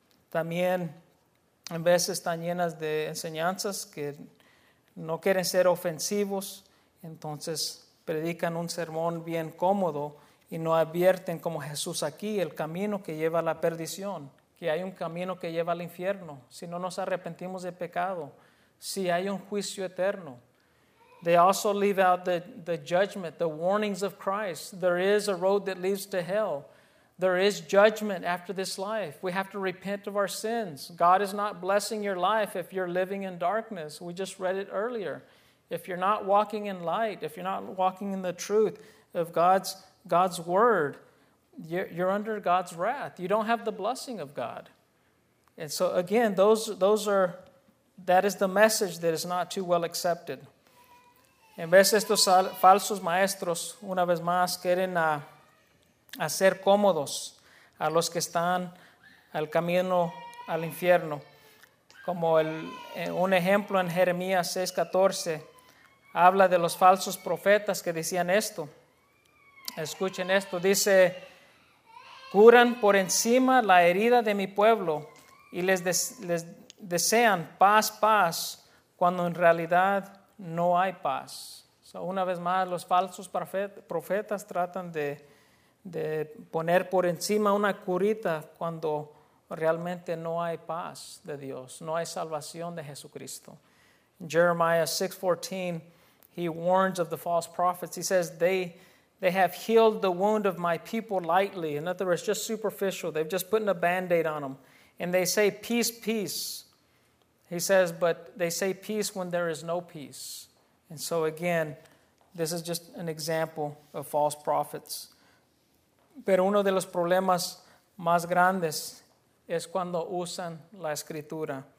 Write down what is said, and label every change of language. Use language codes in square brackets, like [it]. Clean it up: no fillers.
[es] También, en veces están llenas de enseñanzas que no quieren ser ofensivos, entonces predican un sermón bien cómodo y no advierten, como Jesús aquí, el camino que lleva a la perdición, que hay un camino que lleva al infierno. Si no nos arrepentimos de pecado, si hay un juicio eterno. [en] They also leave out the judgment, the warnings of Christ. There is a road that leads to hell. There is judgment after this life. We have to repent of our sins. God is not blessing your life if you're living in darkness. We just read it earlier. If you're not walking in light, if you're not walking in the truth of God's word, you're under God's wrath. You don't have the blessing of God. And so again, that is the message that is not too well accepted. [es] En vez de estos falsos maestros, una vez más, quieren hacer cómodos a los que están al camino al infierno. Como un ejemplo en Jeremías 6:14, habla de los falsos profetas que decían esto. Escuchen esto, dice, curan por encima la herida de mi pueblo y les desean paz, paz, cuando en realidad no hay paz. So, una vez más, los falsos profetas tratan de poner por encima una curita cuando realmente no hay paz de Dios, no hay salvación de Jesucristo. [en] In Jeremiah 6:14, he warns of the false prophets. He says, they have healed the wound of my people lightly. In other words, just superficial. They've just put a Band-Aid on them. And they say, peace, peace. He says, but they say peace when there is no peace. And so again, this is just an example of false prophets. [es] Pero uno de los problemas más grandes es cuando usan la escritura.